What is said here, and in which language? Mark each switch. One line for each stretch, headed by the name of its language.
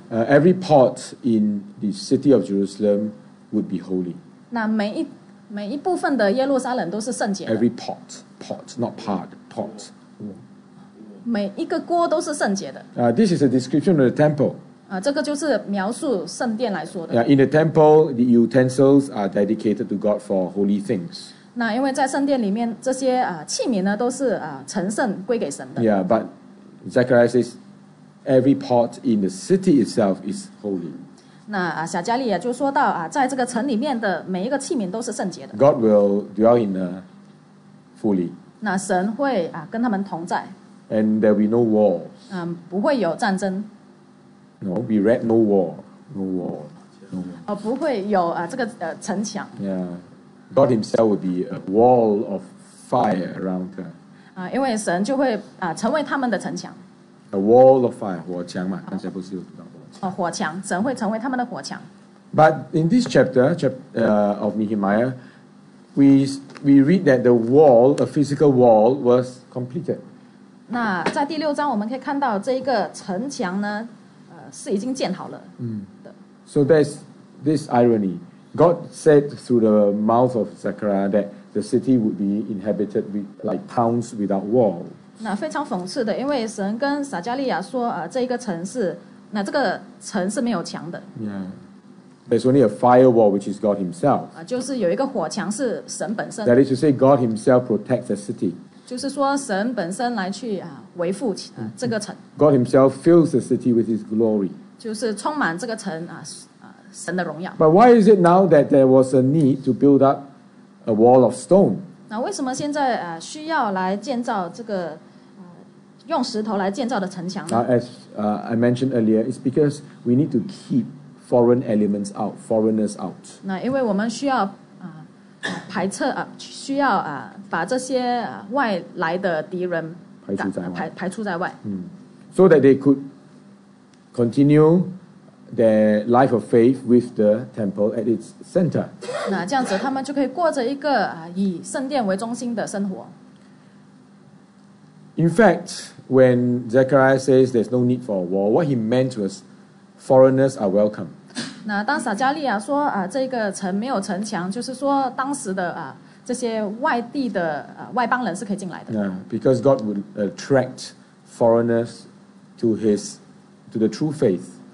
English: Every part in the city of Jerusalem would be holy.
Chinese: 那每一部分的耶路撒冷都是圣洁的。
English: Every pot, pot, not part, pot.
Chinese: 每一个锅都是圣洁的。
English: This is a description of the temple.
Chinese: 这个就是描述圣殿来说的。
English: In the temple, the utensils are dedicated to God for holy things.
Chinese: 那因为在圣殿里面这些器皿呢都是成圣归给神的。
English: Yeah, but Zechariah says every pot in the city itself is holy.
Chinese: 那撒迦利亚就说到在这个城里面的每一个器皿都是圣洁的。
English: God will dwell in the fully.
Chinese: 那神会跟他们同在。
English: And there will be no war.
Chinese: 不会有战争。
English: No, we read no war, no war, no war.
Chinese: 不会有这个城墙。
English: Yeah. God himself would be a wall of fire around them.
Chinese: 因为神就会成为他们的城墙。
English: A wall of fire,
Chinese: 火墙嘛，刚才不是有提到火墙。火墙，神会成为他们的火墙。
English: But in this chapter of Nehemiah, we read that the wall, a physical wall, was completed.
Chinese: 那在第六章我们可以看到这一个城墙呢，是已经建好了。
English: So there's this irony. God said through the mouth of Zechariah that the city would be inhabited with like towns without walls.
Chinese: 那非常讽刺的，因为神跟撒迦利亚说，这一个城是，那这个城是没有墙的。
English: Yeah, there's only a firewall which is God Himself.
Chinese: 就是有一个火墙是神本身。
English: That is to say, God Himself protects the city.
Chinese: 就是说，神本身来去维护这个城。
English: God Himself fills the city with His glory.
Chinese: 就是充满这个城神的荣耀。
English: But why is it now that there was a need to build up a wall of stone?
Chinese: 那为什么现在需要来建造这个用石头来建造的城墙呢？
English: As I mentioned earlier, it's because we need to keep foreign elements out, foreigners out.
Chinese: 那因为我们需要排斥需要把这些外来的敌人排除在外。排除在外。
English: So that they could continue their life of faith with the temple at its center.
Chinese: 那这样子，他们就可以过着一个啊以圣殿为中心的生活。
English: In fact, when Zechariah says there's no need for a wall, what he meant was foreigners are welcome.
Chinese: 那当撒加利亚说啊这个城没有城墙，就是说当时的啊这些外地的外邦人是可以进来的。
English: Because God would attract foreigners to the true faith.